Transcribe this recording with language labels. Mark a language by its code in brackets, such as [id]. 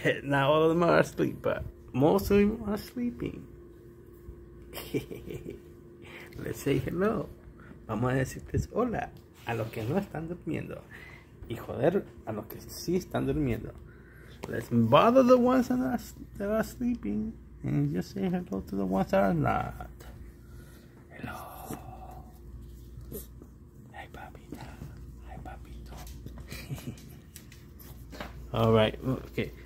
[en] Not all of them are asleep, but most of them are sleeping. Let's say hello. [es] Vamos a decirles hola a los que no están durmiendo. Y joder, a los que sí están durmiendo. [en] Let's bother the ones that are sleeping and just say hello to the ones that are not. Hello. Hi, papita. Hi, papito. All right. Okay.